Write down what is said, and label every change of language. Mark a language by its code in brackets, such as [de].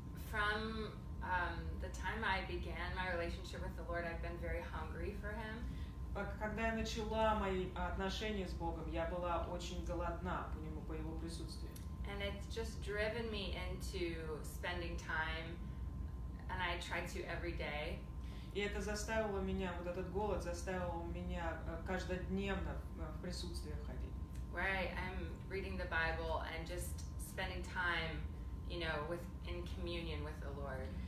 [en] From the time I began my relationship with the Lord, I've been very hungry for Him. [ru] Когда я начала мои отношения с Богом, я была очень голодна по Нему, по Его присутствию. [en] And it's just driven me into spending time, and I try to every day. [ru] И это заставило меня, вот этот голод заставило меня каждодневно в присутствие ходить. [en] Where I'm reading the Bible and just spending time, you know, in communion with the Lord.